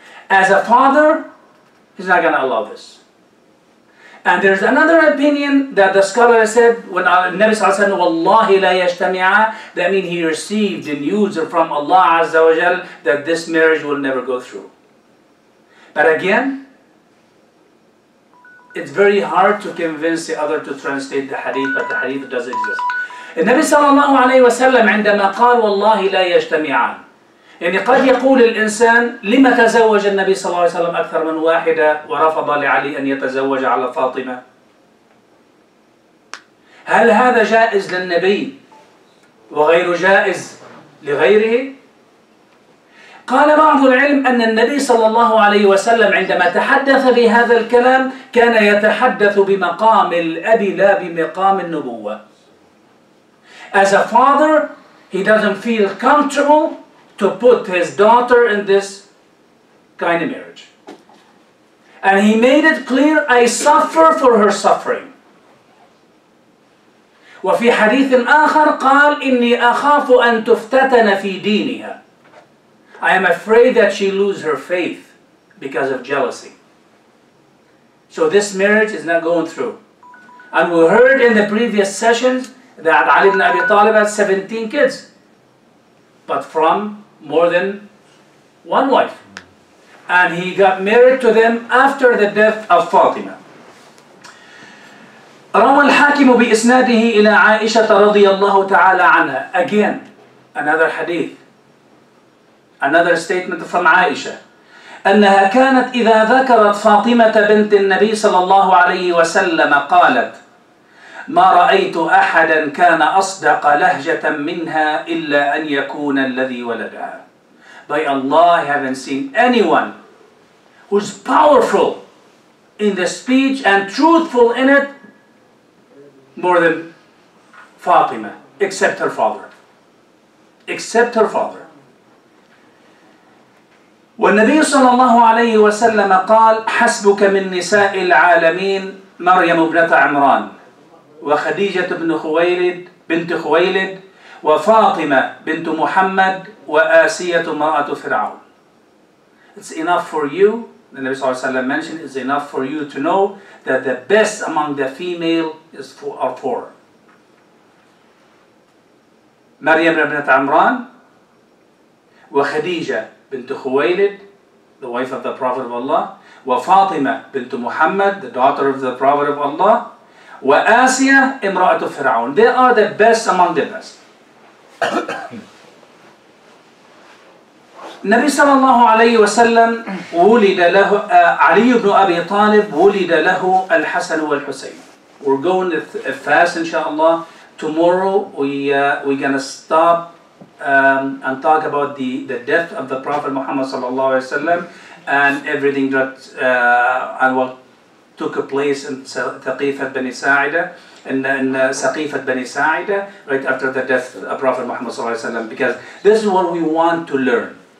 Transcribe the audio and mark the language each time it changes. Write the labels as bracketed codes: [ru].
[en] As a father, he's not going to allow this. And there's another opinion that the scholar said, when Nabi sallallahu alayhi wa sallam, [ar] Wallahi la yajtami'a, [en] that means he received the news from Allah azza wa jal that this marriage will never go through. But again, it's very hard to convince the other to translate the hadith, but the hadith does exist. [ar] Nabi sallallahu alayhi wa sallam, عندما قال Wallahi la yajtami'a, يعني قد يقول الإنسان لما تزوج النبي صلى الله عليه وسلم أكثر من واحدة ورفض لعلي أن يتزوج على فاطمة؟ هل هذا جائز للنبي وغير جائز لغيره؟ قال بعض العلم أن النبي صلى الله عليه وسلم عندما تحدث بهذا الكلام كان يتحدث بمقام الأب لا بمقام النبوة. [en] As a father, he doesn't feel comfortable to put his daughter in this kind of marriage. And he made it clear, I suffer for her suffering. [ar] وفي حديث آخر قال إني أخاف أن تفتتن في دينها. [en] I am afraid that she lose her faith because of jealousy. So this marriage is not going through. And we heard in the previous sessions that Ali ibn Abi Talib has 17 kids. But from more than one wife. And he got married to them after the death of Fatima. [ar] رَوَى الْحَاكِمُ بِإِسْنَادِهِ إِلَىٰ عَائِشَةَ رَضِيَ اللَّهُ تَعَالَىٰ عَنْهَا. [en] Again, another hadith. Another statement from Aisha. [ar] أَنَّهَا كَانَتْ إِذَا ذَكَرَتْ فَاطِمَةَ بِنْتِ النَّبِي صَلَى اللَّهُ عَلَيْهِ وَسَلَّمَ قَالَتْ ما رأيت أحدا كان أصدق لهجة منها إلا أن يكون الذي ولدها. [en] By Allah, I haven't seen anyone who's powerful in the speech and truthful in it more than Fatima, except her father. Except her father. [ar] والنبي صلى الله عليه وسلم قال حسبك من نساء العالمين مريم ابنة عمران وخديجة بن خويلد بنت خويلد وفاطمة بنت محمد وآسية امرأة فرعون. [en] It's enough for you, the Nabi Sallallahu Alaihi Wasallam mentioned, it's enough for you to know that the best among the female is four. مريم بن عمران وخديجة بنت خويلد, the wife of the Prophet of Allah, وفاطمة بنت محمد, the daughter of the Prophet of Allah, وآسيا امرأة فرعون. They are the best among the best. [ar] النبي صلى الله عليه وسلم ولد له علي بن أبي طالب ولد له الحسن والحسين. [en] We're going fast, inshallah. Tomorrow we're gonna stop and talk about the death of the Prophet Muhammad صلى الله عليه وسلم and everything that and what took a place in ثقيفة بني ساعدة in ثقيفة بني ساعدة right after the death of Prophet Muhammad صلى الله عليه وسلم, because this is what we want to learn.